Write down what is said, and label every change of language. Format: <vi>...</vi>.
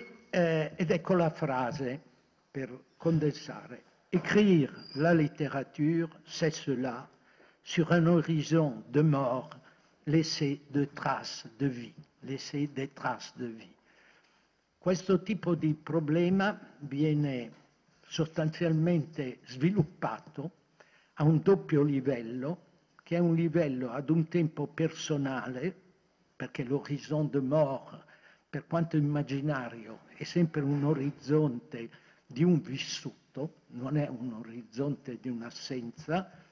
<it>Ed ecco la frase per condensare.</it> <fr>Écrire la littérature, c'est cela, sur un horizon de mort, laisser de traces de vie. Laisser des traces de vie.</fr> <it>Questo tipo di problema viene sostanzialmente sviluppato a un doppio livello, che è un livello ad un tempo personale, perché</it> <fr>l'horizon de mort,</fr> <it>per quanto immaginario, è sempre un orizzonte di un vissuto, non è un orizzonte di un'assenza,</it>